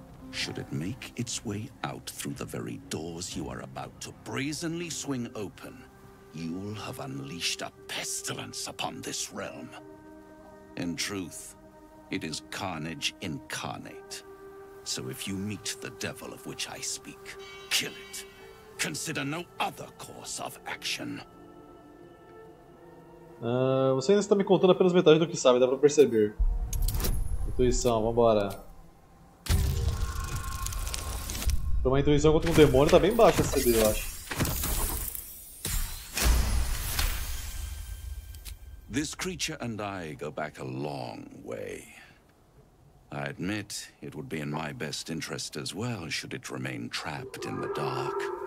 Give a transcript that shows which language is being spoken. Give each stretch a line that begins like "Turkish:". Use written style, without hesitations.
English: Should it make its way out through the very doors you are about to brazenly swing open, you'll have unleashed a pestilence upon this realm. In truth, it is carnage incarnate. So if you meet the devil of which I speak, kill it. Consider no other course of action.
Portuguese: Você ainda está me contando apenas metade do que sabe, dá pra perceber. Intuição, vambora. Pra uma intuição contra um demônio, tá bem baixa essa CD, eu acho.
English: This creature and I go back a long way. I admit it would be in my best interest as well should it remain trapped in the dark.